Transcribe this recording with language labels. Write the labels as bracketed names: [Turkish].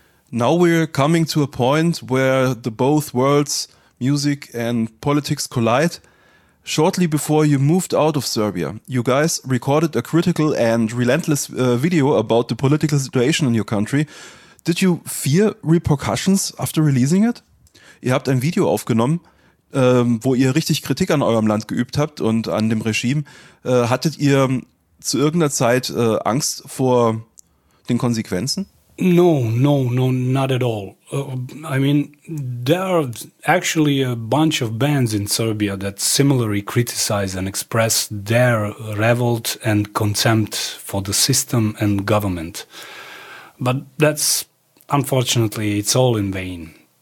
[English] Now we're coming to a point where the both worlds, music and politics, collide. Shortly before you moved out of Serbia, you guys recorded a critical and relentless video about the political situation in your country. Did you fear repercussions after releasing it? [German] Ihr habt ein Video aufgenommen, wo ihr richtig Kritik an eurem Land geübt habt und an dem Regime. Hattet ihr zu irgendeiner Zeit Angst vor den Konsequenzen? [English] No, no, no, not at all. I mean, there are actually a bunch of bands in Serbia that similarly criticize and express their revolt and contempt for the system and government. But that's, unfortunately, it's all in vain.